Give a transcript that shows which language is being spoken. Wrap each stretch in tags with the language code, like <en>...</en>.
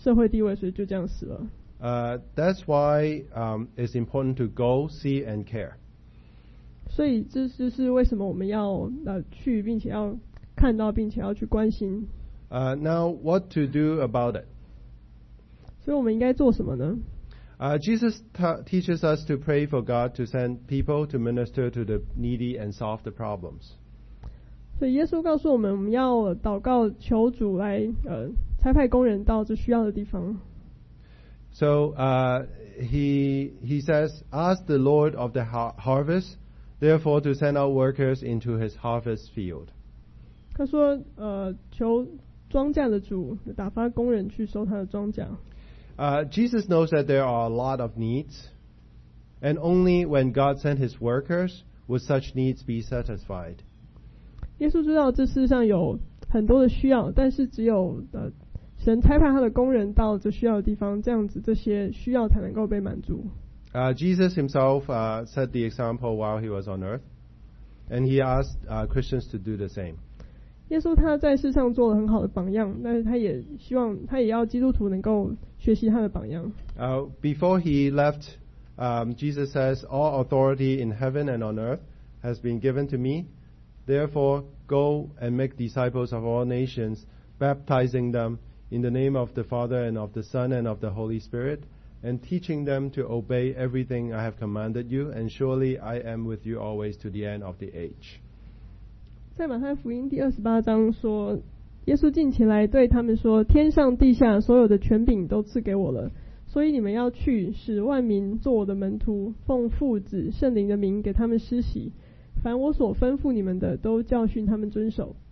<zh>所以這些小孩因為他們的父母沒有經濟能力,也沒有社會地位,所以就這樣死了。</zh> <en>That's why it's important to go, see, and care.</en> <zh>所以這就是為什麼我們要去,並且要看到,並且要去關心。</zh> <en>Now, what to do about it?</en> <zh>所以我們應該做什麼呢?</zh> <en>Jesus teaches us to pray for God to send people to minister to the needy and solve the problems.</en> <zh>所以耶穌告訴我們,我們要禱告求主來差派工人到這需要的地方。</zh> <en>So he says, ask the Lord of the harvest, therefore to send out workers into his harvest field.</en> <zh>他說,求莊稼的主打發工人去收他的莊稼。</zh> <en>Jesus knows that there are a lot of needs, and only when God sent his workers would such needs be satisfied.</en> <zh>耶稣知道这世上有很多的需要，但是只有神差派他的工人到这需要的地方，这样子这些需要才能够被满足。</zh> <en>Jesus himself set the example while he was on earth, and he asked Christians to do the same.</en> <zh>耶稣他在世上做了很好的榜样，但是他也希望他也要基督徒能够学习他的榜样。</zh> <en>Before he left, Jesus says, "All authority in heaven and on earth has been given to me. Therefore, go and make disciples of all nations, baptizing them in the name of the Father and of the Son and of the Holy Spirit, and teaching them to obey everything I have commanded you. And surely I am with you always to the end of the age."</en> <zh>在马太福音第二十八章说，耶稣近前来对他们说，天上地下所有的权柄都赐给我了。所以你们要去，使万民做我的门徒，奉父子圣灵的名给他们施洗，凡我所吩咐你们的，都教训他们遵守。</zh>